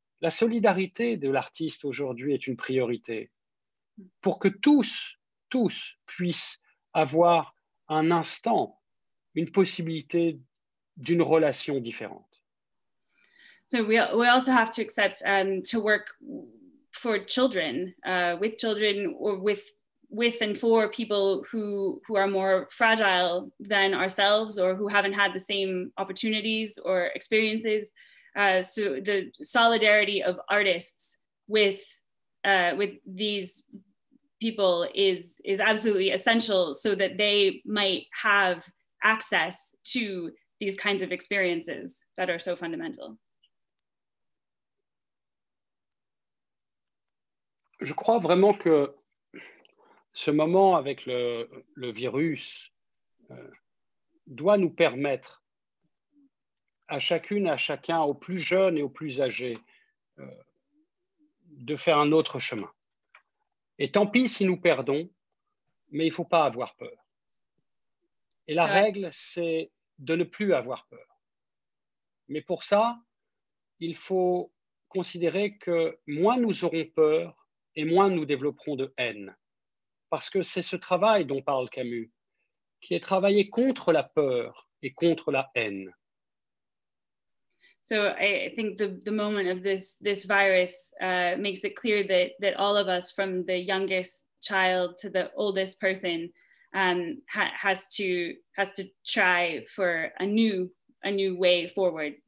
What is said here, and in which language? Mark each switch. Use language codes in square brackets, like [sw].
[fr] La solidarité de l'artiste aujourd'hui est une priorité pour que tous puissent avoir un instant, une possibilité d'une relation différente. [en] So we also have to accept to work for children, with children or with and for people who are more fragile than ourselves or who haven't had the same opportunities or experiences. So the solidarity of artists with these people is absolutely essential so that they might have access to these kinds of experiences that are so fundamental. [fr] Je crois vraiment que ce moment avec le virus doit nous permettre à chacune et à chacun, aux plus jeunes et aux plus âgés, de faire un autre chemin. Et tant pis si nous perdons, mais il ne faut pas avoir peur. Et la règle, c'est de ne plus avoir peur. Mais pour ça, il faut considérer que moins nous aurons peur et moins nous développerons de haine. Parce que c'est ce travail dont parle Camus, qui est travailler contre la peur et contre la haine. [en] So I think the moment of this virus makes it clear that all of us, from the youngest child to the oldest person, has to try for a new way forward.